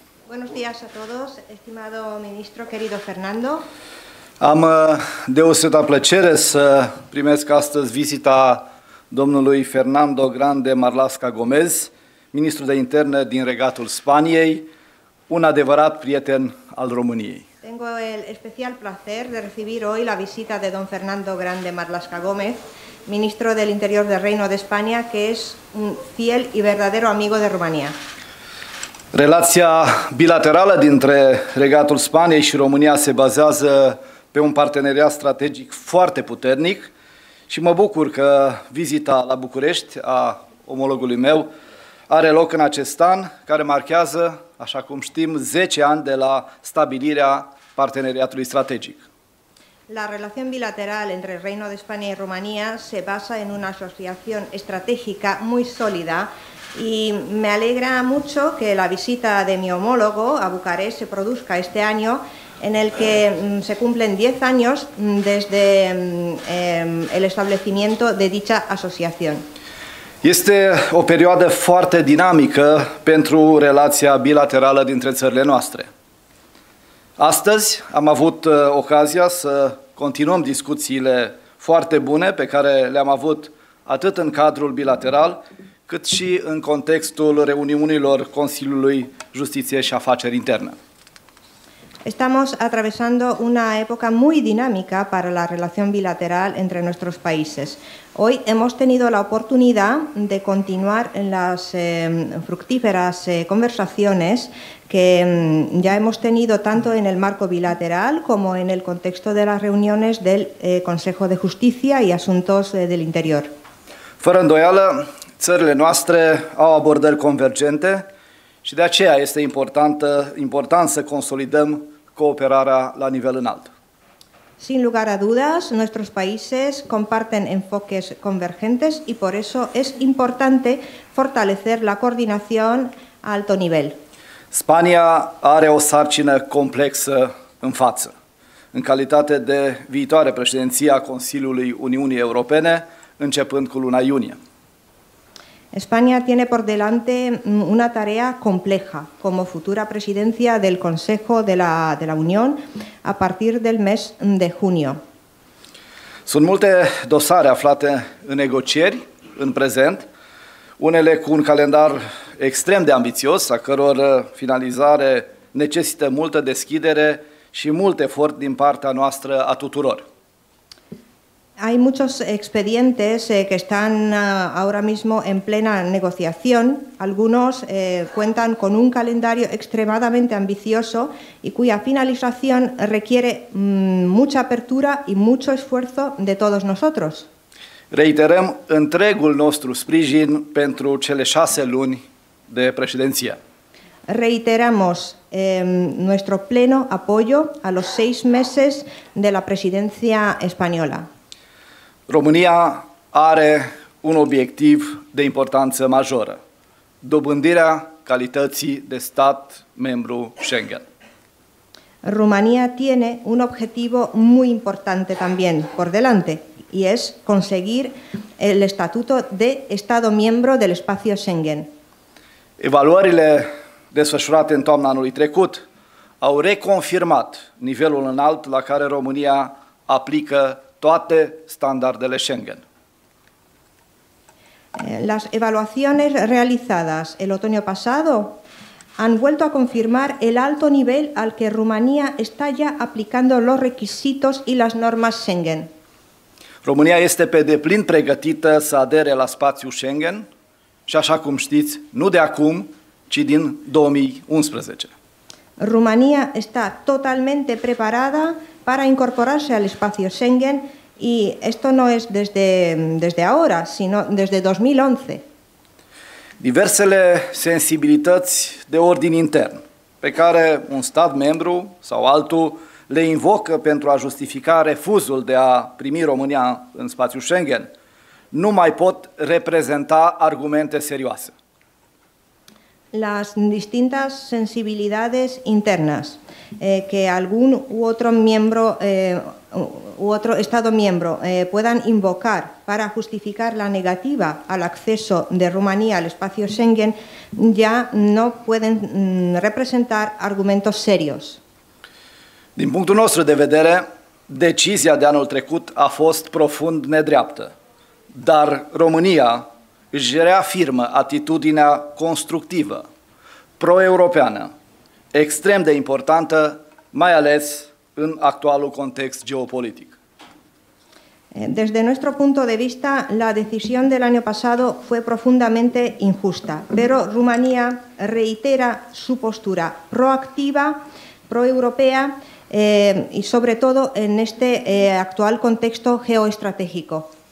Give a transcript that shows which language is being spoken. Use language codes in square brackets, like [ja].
[es] Buenos días a todos, estimado ministro, querido Fernando. [ro] Am deosebită plăcere să primesc astăzi vizita domnului Fernando Grande Marlasca Gomez, ministru de interne din Regatul Spaniei, un adevărat prieten al României. [es] Tengo el especial placer de recibir hoy la visita de don Fernando Grande Marlasca Gomez, ministro del Interior del Reino de España, que es un fiel y verdadero amigo de Rumanía. [ro] Relația bilaterală dintre Regatul Spaniei și România se bazează pe un parteneriat strategic foarte puternic și mă bucur că vizita la București a omologului meu are loc în acest an, care marchează, așa cum știm, 10 ani de la stabilirea parteneriatului strategic. [es] La relación bilateral entre el Reino de España y Rumanía se basa en una asociación estratégica muy sólida y me alegra mucho que la visita de mi homólogo a Bucarest se produzca este año en el que se cumplen 10 años desde el establecimiento de dicha asociación. [ro] Este o perioadă foarte dinamică pentru relația bilaterală dintre țările noastre. Astăzi am avut ocazia să continuăm discuțiile foarte bune pe care le-am avut atât în cadrul bilateral, cât și în contextul reuniunilor Consiliului Justiție și Afaceri Interne. [es] Estamos atravesando una época muy dinámica para la relación bilateral entre nuestros países. Hoy hemos tenido la oportunidad de continuar en las fructíferas conversaciones que ya hemos tenido tanto en el marco bilateral como en el contexto de las reuniones del Consejo de Justicia y Asuntos del Interior. [ro] Fără îndoială, țările noastre au abordări convergente și de aceea este important să consolidăm cooperarea la nivel înalt. [es] Sin lugar a dudas, nuestros países comparten enfoques convergentes y por eso es importante fortalecer la coordinación a alto nivel. [ro] Spania are o sarcină complexă în față. În calitate de viitoare președinție a Consiliului Uniunii Europene, începând cu luna iunie. [es] España tiene por delante una tarea compleja como futura presidencia del Consejo de la Unión a partir del mes de junio. [ro] Sunt multe dosare aflate în negocieri în prezent, unele cu un calendar extrem de ambițios, a căror finalizare necesită multă deschidere și mult efort din partea noastră a tuturor. [es] Hay muchos expedientes que están ahora mismo en plena negociación. Algunos cuentan con un calendario extremadamente ambicioso y cuya finalización requiere mucha apertura y mucho esfuerzo de todos nosotros. [ro] Reiterăm întregul nostru sprijin pentru cele 6 luni de președinție. [es] Reiteramos nuestro pleno apoyo a los 6 meses de la presidencia española. [ro] România are un obiectiv de importanță majoră, dobândirea calității de stat membru Schengen. [es] România tiene un objetivo muy importante también por delante y es conseguir el estatuto de Estado miembro del espacio Schengen. [ro] Evaluările desfășurate în toamna anului trecut au reconfirmat nivelul înalt la care România aplică toate standardele Schengen. [es] Las evaluaciones realizadas el otoño pasado han vuelto a confirmar el alto nivel al que Rumanía está ya aplicando los requisitos y las normas Schengen. [ro] România este pe deplin pregătită să adere la spațiul Schengen și așa cum știți, nu de acum, ci din 2011. [es] Rumanía está totalmente preparada para incorporarse al espacio Schengen y esto no es desde ahora, sino desde 2011. [ro] Diversele sensibilități de ordin intern pe care un stat membru sau altul le invocă pentru a justifica refuzul de a primi România în spațiul Schengen, nu mai pot reprezenta argumente serioase. [es] Las distintas sensibilidades internas que algún u otro miembro u otro Estado miembro puedan invocar para justificar la negativa al acceso de Rumanía al espacio Schengen ya no pueden representar argumentos serios. [ro] Din punctul nostru de vedere, decizia de anul trecut a fost profund nedreaptă, dar România își reafirmă atitudinea constructivă, pro-europeană, extrem de importantă, mai ales în actualul context geopolitic. [es] Desde nuestro punto de vista, la decisión del año pasado fue profundamente injusta, pero Rumanía reitera su postura proactiva, pro-europea y sobre todo en este actual contexto geoestratégico.